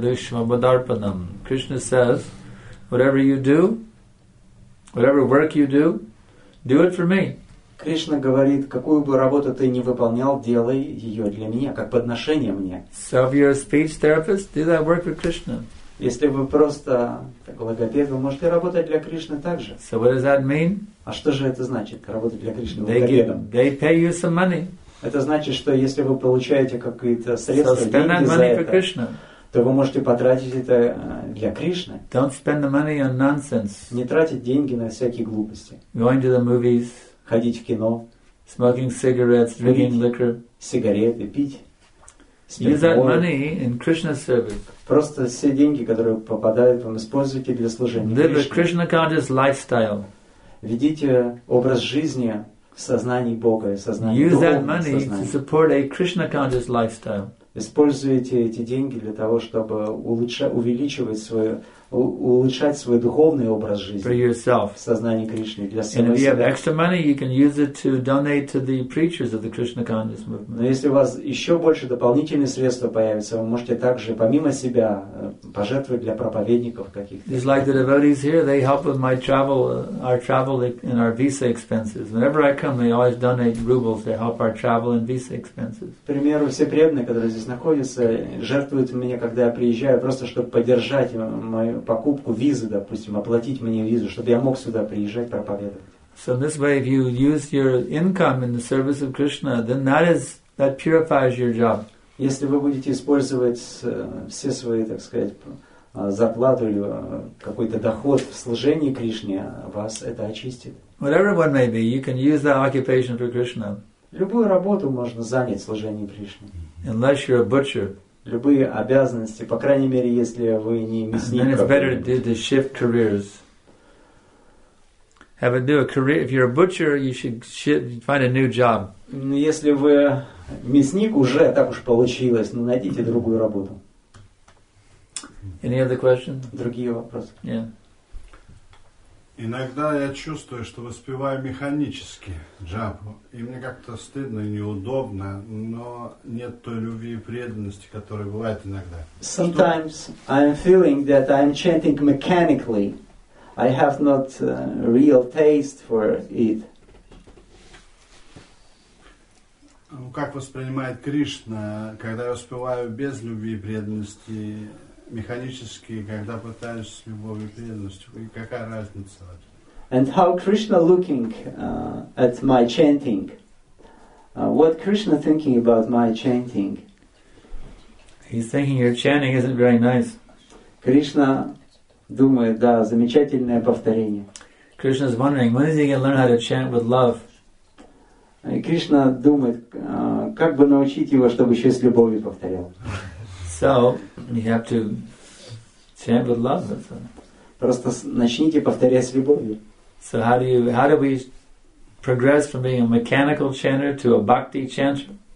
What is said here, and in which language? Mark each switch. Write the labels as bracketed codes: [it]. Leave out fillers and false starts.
[en] Krishna says, whatever you do, whatever work you do, do it for me. [ru] Krishna говорит, какую бы работу ты ни выполнял, делай ее для меня, как подношение мне. [en] So if you're a speech therapist, do that work for Krishna. [ru] Если вы просто логопед, вы можете работать для Кришны также. [en] So what does that mean? [ru] А что же это значит, работать для Кришны логопедом? [en] They pay you some money. [ru] Это значит, что если вы получаете какие-то средства, деньги за это, то вы можете потратить это для Кришны. [en] Don't spend the money on nonsense. [ru] Не тратить деньги на всякие глупости. [en] Going to the movies. [ru] Ходить в кино. [en] Smoking cigarettes, drinking liquor. [ru] Сигареты, пить. [en] Use that money in Krishna's service. [ru] Просто все деньги, которые попадают вам, используйте для служения Кришне. [en] Live a Krishna conscious lifestyle. [ru] Ведите образ жизни. Сознание Бога, сознание [en] Use [ru] духовного [en] that money [ru] сознания. [en] To support a Krishna conscious lifestyle. [ru] Используйте эти деньги для того, чтобы улучшать свой духовный образ жизни. [en] For yourself. [ru] Сознание Кришны для самого себя. [en] if you have extra money, you can use it to donate to the preachers of the Krishna conscious movement. [ru] Но если у вас еще больше дополнительных средств появится, вы можете также помимо себя пожертвовать для проповедников каких-то. [en] It's like the devotees here, they help with my travel, our travel and our visa expenses. Whenever I come, they always donate rubles to help our travel and visa expenses. [ru] К примеру, все преданные, которые здесь находятся, жертвуют мне, когда я приезжаю, просто чтобы поддержать мою покупку визы, допустим, оплатить мне визу, чтобы я мог сюда приезжать проповедовать. [en] So in this way, if you use your income in the service of Krishna, then that is that purifies your job. [ru] Если вы будете использовать все свои, так сказать, зарплату или какой-то доход в служении Кришне, вас это очистит. [en] Whatever one may be, you can use that occupation for Krishna. [ru] Любую работу можно занять в служении Кришне. [en] Unless you're a butcher. [ru] Любые обязанности, по крайней мере, если вы не мясник. [en] Then it's better to shift careers. Have a new career. If you're a butcher, you should find a new job. [ru] Если вы мясник, уже так уж получилось, но найдите другую работу. [en] Any other questions? [ru] Другие вопросы? [en] Yeah. [ru] Иногда я чувствую, что воспеваю механически джапу. И мне как-то стыдно и неудобно, но нет той любви и преданности, которая бывает иногда. [en] Sometimes I'm feeling that I'm chanting mechanically. I have not real taste for it. [ru] Ну как воспринимает Кришна, когда я успеваю без любви и преданности механически, когда пытаюсь с любовью и преданностью? И какая разница в этом? [en] And how Krishna looking at my chanting? What Krishna thinking about my chanting? He's thinking your chanting isn't very nice. [ru] Krishna думает, да, замечательное повторение. [en] Krishna is wondering, when is he going to learn how to chant with love? [ru] Krishna думает, как бы научить его, чтобы еще с любовью повторял. [en] So, you have to chant with love. [ru] Просто начните повторять с любовью. [en] So how do we progress from being a mechanical chanter to a bhakti chanter?